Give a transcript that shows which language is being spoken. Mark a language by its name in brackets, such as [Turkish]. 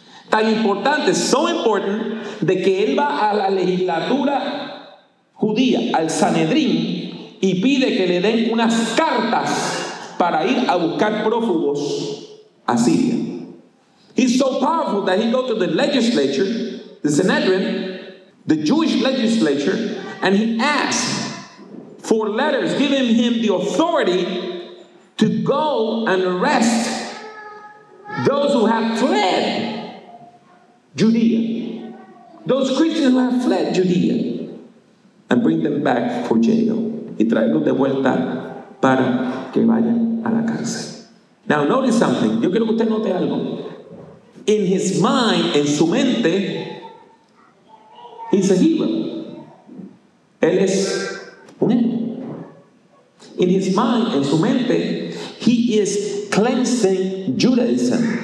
[Spanish] Tan importante, [English] so important, [Spanish] de que él va a la legislatura judía, al Sanedrín, y pide que le den unas cartas para ir a buscar prófugos a Siria. [English] He's so powerful that he goes to the legislature, the Sanhedrin, the Jewish legislature, and he asks for letters giving him the authority to go and arrest those who have fled Judea, those Christians who have fled Judea, and bring them back for jail. [Spanish] Y traerlos de vuelta para que vayan a la cárcel. [English] Now notice something. [Spanish] Yo quiero que usted note algo. [English] In his mind, [Spanish] en su mente, [English] he's a Hebrew. [Spanish] Él es un Hebreo. [English] In his mind, [Spanish] en su mente, [English] he is cleansing Judaism.